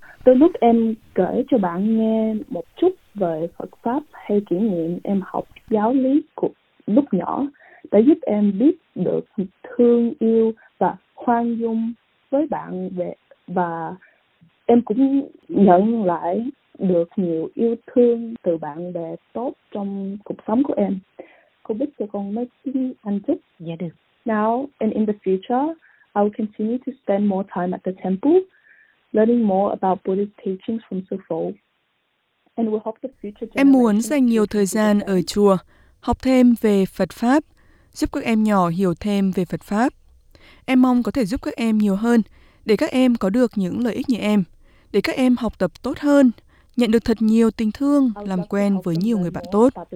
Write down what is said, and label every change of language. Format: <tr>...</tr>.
<vi>Từ lúc em kể cho bạn nghe một chút về Phật Pháp hay kỷ niệm em học giáo lý của lúc nhỏ đã giúp em biết được thương yêu và khoan dung với bạn bè và em cũng nhận lại được nhiều yêu thương từ bạn bè tốt trong cuộc sống của em. Cô Bích cho con nói tiếng Anh chút. Dạ được.</vi> <en>Now and in the future, I will continue to spend more time at the temple, learning more about Buddhist teachings from Sư Phụ. And we hope the future.</en> <vi>Em muốn dành nhiều thời gian ở chùa. Học thêm về Phật Pháp, giúp các em nhỏ hiểu thêm về Phật Pháp. Em mong có thể giúp các em nhiều hơn, để các em có được những lợi ích như em, để các em học tập tốt hơn, nhận được thật nhiều tình thương, làm quen với nhiều người bạn tốt.</vi>